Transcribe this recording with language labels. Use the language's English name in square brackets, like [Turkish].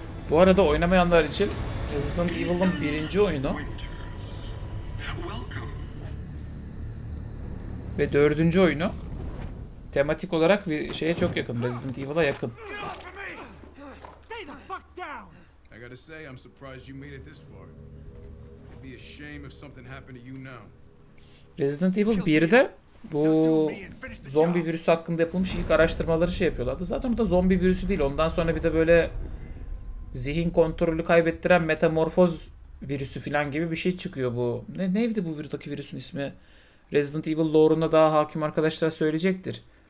[Turkish] Bu arada oynamayanlar için Resident Evil'ın birinci oyunu ve dördüncü oyunu tematik olarak bir şeye çok yakın, Resident Evil'a yakın. [English] I gotta say, I'm surprised you made it this far. It'd be a shame if something happened to you now. [Turkish] Resident Evil 1'de bu zombi virüsü hakkında yapılmış ilk araştırmaları şey yapıyorlardı. Zaten o da zombi virüsü değil. Ondan sonra bir de böyle zihin kontrolü kaybettiren metamorfoz virüsü falan gibi bir şey çıkıyor bu. Neydi bu virüdaki virüsün ismi? Resident Evil lore'una daha hakim arkadaşlar söyleyecektir.